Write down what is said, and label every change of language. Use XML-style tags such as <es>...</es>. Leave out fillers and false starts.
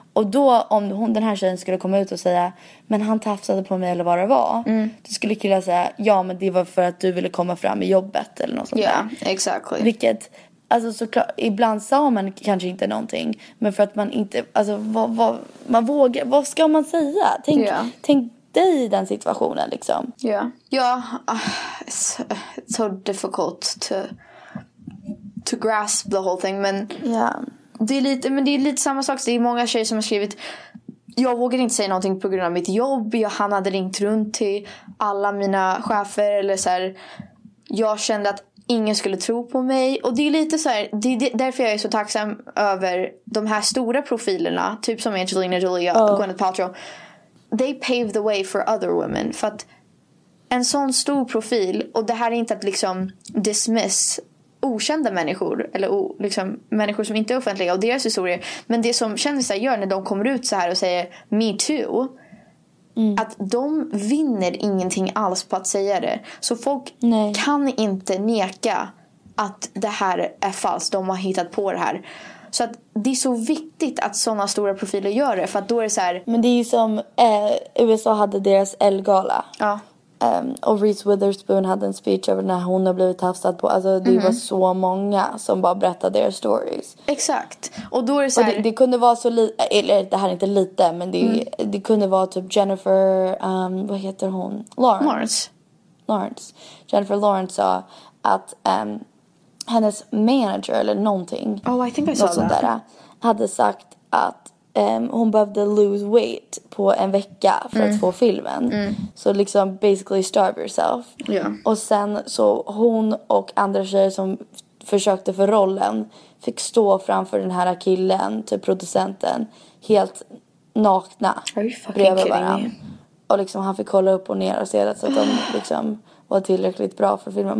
<sv>Och då, om den här tjejen skulle komma ut och säga, men han tafsade på mig eller vad det var. Mm. Då skulle killa säga, ja men det var för att du ville komma fram i jobbet eller något sånt</sv> <en>där. Yeah, exactly.</en> <sv>Vilket, Alltså såklart, ibland sa man kanske inte någonting, men för att man inte, alltså man vågar, vad ska man säga? Tänk, ja. Tänk dig i den situationen liksom. Ja.</sv> <en>Ja, it's so difficult to grasp the whole thing, men</en> <sv>ja. Det är lite samma sak. Det är många tjejer som har skrivit, jag vågar inte säga någonting på grund av mitt jobb. Jag hamnade ringt runt till alla mina chefer eller så här, jag kände att ingen skulle tro på mig. Och det är lite så här, det är därför jag är så tacksam över de här stora profilerna, typ som Angelina Jolie och Gwyneth Paltrow.</sv> <en>They pave the way for other women.</en> <sv>För att en sån stor profil, och det här är inte att liksom dismiss okända människor eller liksom människor som inte är offentliga och deras historier, men det som kändisar gör när de kommer ut så här och säger me too, att de vinner ingenting alls på att säga det. Så folk kan inte neka att det här är falskt, de har hittat på det här. Så att det är så viktigt att såna stora profiler gör det, för att då är det så här. Men det är ju som USA hade deras Elle-gala. Ja. Och Reese Witherspoon hade en speech över när hon har blivit tafsad på. Alltså det var så många som bara berättade deras stories. Exakt. Och då är det så här, det kunde vara så lite, eller det här är inte lite, men det kunde vara typ Jennifer, vad heter hon? Lawrence. Jennifer Lawrence sa att hennes manager eller någonting.</sv> <en>Oh, I think I saw that.</en> <sv>Där, hade sagt att hon behövde</sv> <en>lose weight</en> <sv>på en vecka för att få filmen. Mm. Så liksom</sv> <en>basically starve yourself. Yeah.</en> <sv>Och sen så hon och andra tjejer som försökte för rollen fick stå framför den här killen, typ producenten, helt nakna bredvid varandra. Och liksom han fick kolla upp och ner och se det, så att de liksom var tillräckligt bra för filmen.</sv>